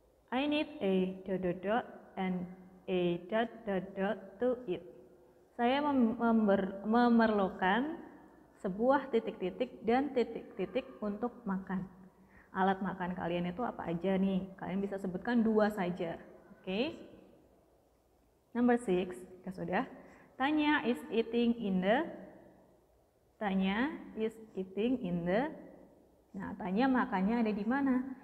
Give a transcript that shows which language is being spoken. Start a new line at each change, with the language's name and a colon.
English: I need a dot dot dot and a dot dot dot to eat.
Indonesian: Saya memerlukan sebuah titik-titik dan titik-titik untuk makan. Alat makan kalian itu apa aja nih? Kalian bisa sebutkan dua saja. Oke. Number 6, ya sudah.
English: Tanya is eating in the, Tanya is eating in the.
Indonesian: Nah, Tanya makannya ada di mana?